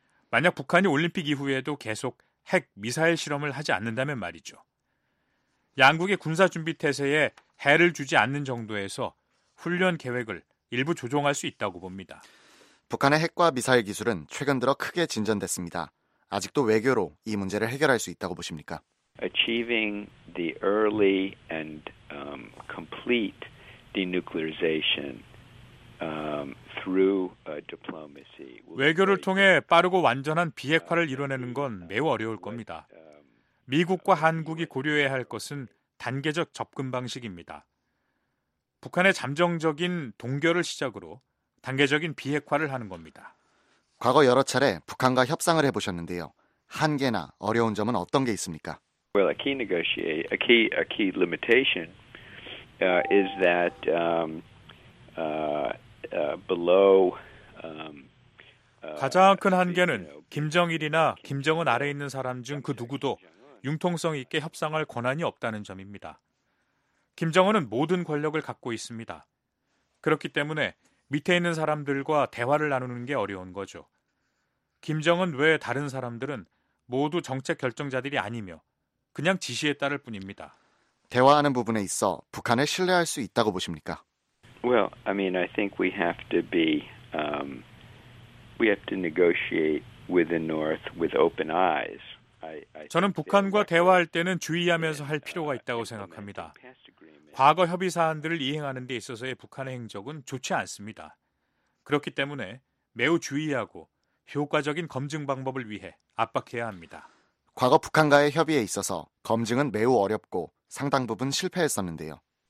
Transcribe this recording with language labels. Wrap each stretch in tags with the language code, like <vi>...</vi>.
<ko>만약 북한이 올림픽 이후에도 계속 핵, 미사일 실험을 하지 않는다면 말이죠. 양국의 군사 준비 태세에 해를 주지 않는 정도에서 훈련 계획을 일부 조정할 수 있다고 봅니다. 북한의 핵과 미사일 기술은 최근 들어 크게 진전됐습니다. 아직도 외교로 이 문제를 해결할 수 있다고 보십니까?</ko> <en>Achieving the early and complete denuclearization through diplomacy.</en> <ko>외교를 통해 빠르고 완전한 비핵화를 이뤄내는 건 매우 어려울 겁니다. 미국과 한국이 고려해야 할 것은 단계적 접근 방식입니다. 북한의 잠정적인 동결을 시작으로 단계적인 비핵화를 하는 겁니다. 과거 여러 차례 북한과 협상을 해보셨는데요. 한계나 어려운 점은 어떤 게 있습니까?</ko> <en>Well, a key limitation is that below</en> <ko>가장 큰 한계는 김정일이나 김정은 아래 있는 사람 중 그 누구도 융통성 있게 협상할 권한이 없다는 점입니다. 김정은은 모든 권력을 갖고 있습니다. 그렇기 때문에 밑에 있는 사람들과 대화를 나누는 게 어려운 거죠. 김정은 외 다른 사람들은 모두 정책 결정자들이 아니며 그냥 지시에 따를 뿐입니다. 대화하는 부분에 있어 북한을 신뢰할 수 있다고 보십니까?</ko> <en>Well, I mean, I think we have to be we have to negotiate with the North with open eyes.</en> <ko>저는 북한과 대화할 때는 주의하면서 할 필요가 있다고 생각합니다. 과거 협의 사안들을 이행하는 데 있어서의 북한의 행적은 좋지 않습니다. 그렇기 때문에 매우 주의하고 효과적인 검증 방법을 위해 압박해야 합니다. 과거 북한과의 협의에 있어서 검증은 매우 어렵고 상당 부분 실패했었는데요.</ko>